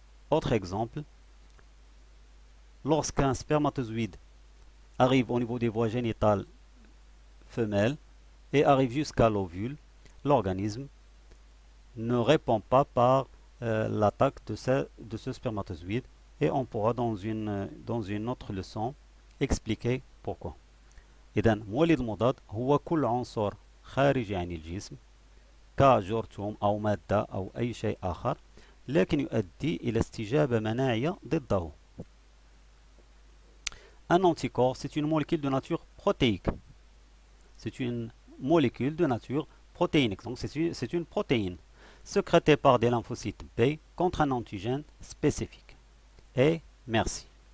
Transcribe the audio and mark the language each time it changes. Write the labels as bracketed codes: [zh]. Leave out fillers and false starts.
[fr] Autre exemple, lorsqu'un spermatozoïde arrive au niveau des voies génitales femelles et arrive jusqu'à l'ovule, l'organisme ne répond pas par l'attaque de ce spermatozoïde et on pourra dans une autre leçon expliquer pourquoi. Et donc, [ar] مولد مضاد هو كل عنصر خارجي عن الجسم كجرثوم أو مادة أو أي شيء آخر لكن يؤدي إلى استجابة مناعية ضده. [fr] Un anticorps, c'est une molécule de nature protéique. C'est une molécule de nature protéinique. Donc, c'est une protéine sécrétée par des lymphocytes B contre un antigène spécifique. Et merci.